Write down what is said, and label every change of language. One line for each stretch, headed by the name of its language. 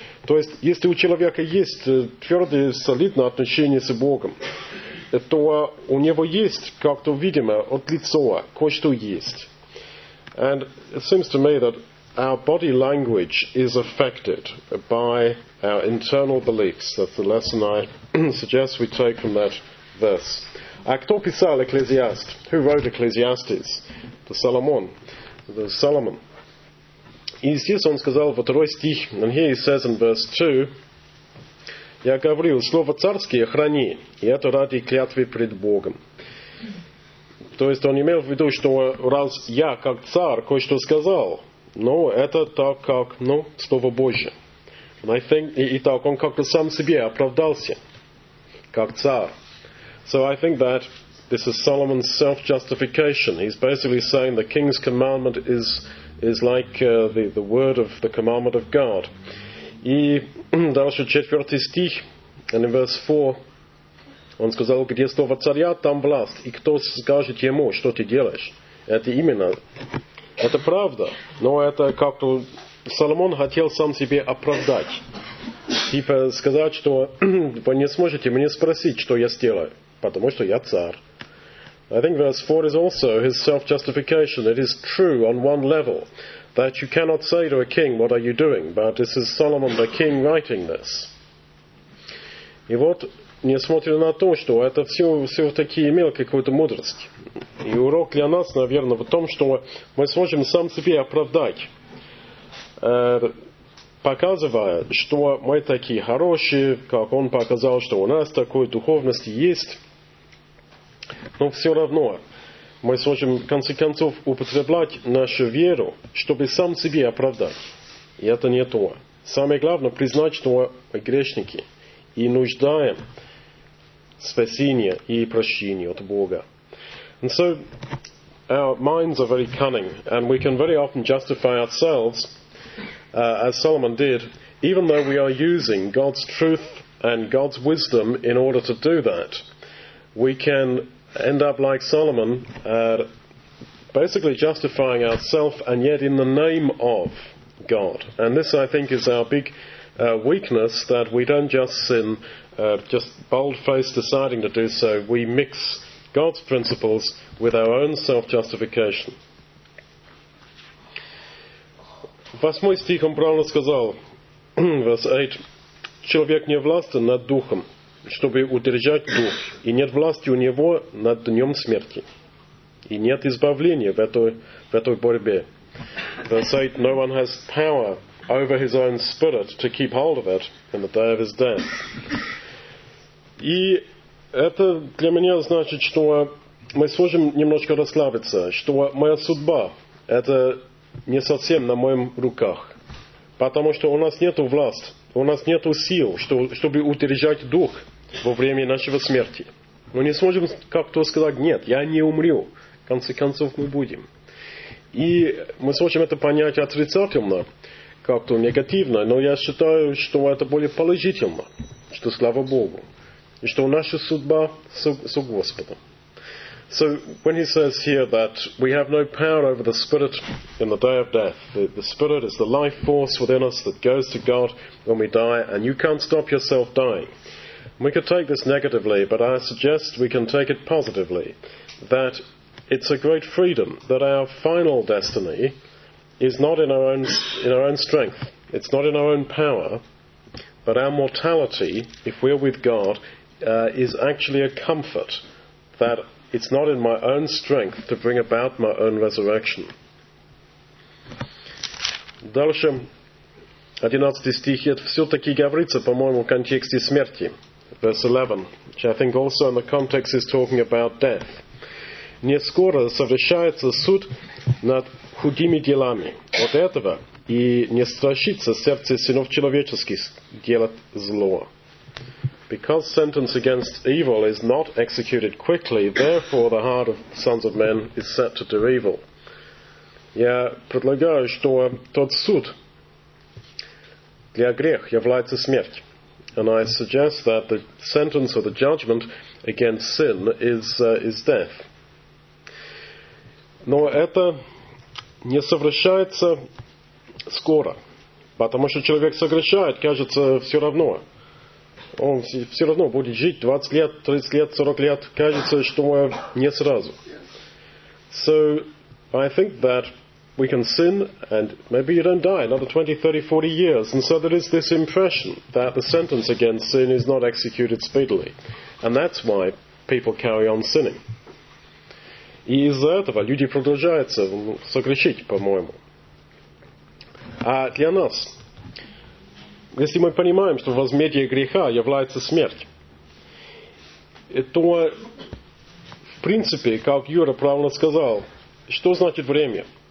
Russian: То есть, если у человека есть твердое, солидное отношение с Богом, то у него есть как-то видимо от лица, кое-что есть.
English: And it seems to me that our body language is affected by our internal beliefs. That's the lesson I suggest we take from that verse.
Russian: А кто писал
English: Ecclesiastes? Who wrote Ecclesiastes? The Solomon. The Solomon.
Russian: И здесь он сказал во второй стих,
English: and here he says in verse 2,
Russian: я говорил, слово царское храни, и это ради клятвы пред Богом. То есть он имел в виду, что раз я как царь кое-что сказал, но это так как, ну, слово Божье. И так он как-то сам себе оправдался, как царь.
English: So I think that this is Solomon's self-justification. He's basically saying the king's commandment is like the word of the commandment of God.
Russian: И дальше четвертый стих,
English: and in verse 4,
Russian: он сказал, где слово царя, там власть, и кто скажет ему, что ты делаешь. Это именно, это правда, но это как-то Соломон хотел сам себе оправдать. Типа сказать, что вы не сможете мне спросить, что я сделаю, потому что я царь.
English: I think verse 4 is also his self-justification. It is true on one level. That you cannot say to a king, what are you doing? But this is Solomon, the king, writing this.
Russian: И вот, несмотря на то, что это все-таки имело какую-то мудрость. И урок для нас, наверное, в том, что мы сможем сам себе оправдать, показывая, что мы такие хорошие, как он показал, что у нас такой духовность есть. Но все равно мы сможем, в конце концов, употреблять нашу веру, чтобы сам себе оправдать. И это не то. Самое главное, признать, что мы грешники и нуждаем в спасении и прощении от Бога.
English: And so, our minds are very cunning, and we can very often justify ourselves, as Solomon did, even though we are using God's truth and God's wisdom in order to do that. We can end up like Solomon, basically justifying ourselves, and yet in the name of God. And this, I think, is our big weakness, that we don't just sin, just bold-faced deciding to do so. We mix God's principles with our own self-justification.
Russian: Восьмой стих он правильно сказал,
English: verse 8,
Russian: человек не властен над духом, чтобы удержать дух, и нет власти у него над днем смерти, и нет избавления в этой борьбе.
English: Verse 8, no one has power over his own spirit to keep hold of it in the day of his death.
Russian: И это для меня значит, что мы сможем немножко расслабиться, что моя судьба – это не совсем на моем руках, потому что у нас нет власти, у нас нет сил, чтобы удержать дух во время нашего смерти. Мы не сможем как-то сказать, нет, я не умру. В конце концов, мы будем. И мы сможем это понять отрицательно, как-то негативно, но я считаю, что это более положительно, что слава Богу, и что наша судьба с Господом.
English: So, when he says here that we have no power over the spirit in the day of death, the spirit is the life force within us that goes to God when we die, and you can't stop yourself dying. We could take this negatively, but I suggest we can take it positively, that it's a great freedom, that our final destiny is not in our own strength, it's not in our own power, but our mortality, if we're with God, is actually a comfort, that It's not in my own strength to bring about my own resurrection.
Russian: Дальше, 11 стих, это все-таки говорится, по-моему, в контексте смерти.
English: Verse 11, which I think also in the context is talking about death.
Russian: Не скоро совершается суд над худими делами. От этого и не страшится сердце сынов человеческих делать зло.
English: Because sentence against evil is not executed quickly, therefore the heart of sons of men is set to do evil.
Russian: Я предлагаю, что тот суд для грех является смерть.
English: And I suggest that the sentence or the judgment against sin is death.
Russian: Но это не совершается скоро. Потому что человек согрешает, кажется, все равно. Он все равно будет жить 20 лет, 30 лет, 40 лет. Кажется, что не сразу.
English: So, I think that we can sin and maybe you don't die another 20, 30, 40 years. And so there is this impression that the sentence against sin is not executed speedily. And that's why people carry on sinning.
Russian: И из-за этого люди продолжаются согрешить, по-моему. А для нас, если мы понимаем, что возмездие греха является смерть, то, в принципе, как Юра правильно сказал, что значит время?